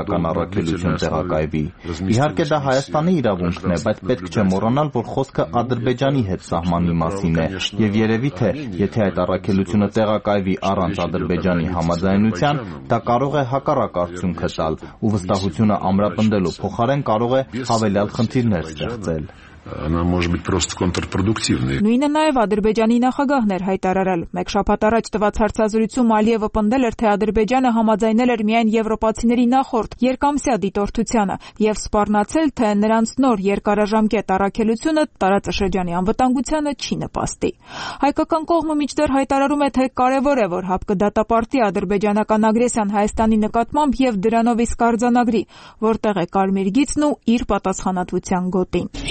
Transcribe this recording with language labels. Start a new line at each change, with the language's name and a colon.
Armenian: քաղաքացիական առաքելություն տեղակայվի։ Իհարկե, դա Հայաստանի իրավունքն է, բայց պետք չէ մոռանալ, որ խոսքը Ադրբեջանի հետ սահմանի մասին է, և երևի թե, եթե այդ առաքելությունը տեղակայվի առանց Ադրբեջանի համաձայնության, դա կարող է հակառակ արդյունք տալ, ու վստահությունը ամրապնդելու փոխարեն կարող է հավելյալ խնդիրներ ստեղծել։
Russian: Она может быть просто контрпродуктивной.
Armenian: Ну и նաև Ադրբեջանի նախագահն էր հայտարարել, մեկ շաբաթ առաջ տված հարցազրույցում Ալիևը պնդել էր, թե Ադրբեջանը համաձայնել էր միայն եվրոպացիների նախորդ երկամսյա դիտորդությանը և սպառնացել, թե նրանց նոր երկարաժամկետ առաքելությունը տարածաշրջանի անվտանգությանը չի նպաստի։ Հայկական կողմը միջդեռ հայտարարում է, թե կարևոր է, որ հապկը դատապարտի ադրբեջանական ագրեսիան Հայաստանի նկատմամբ և դրանով իսկ արձանագրի, որտեղ է կարմիր գիծն ու իր պատասխանատվության գոտին։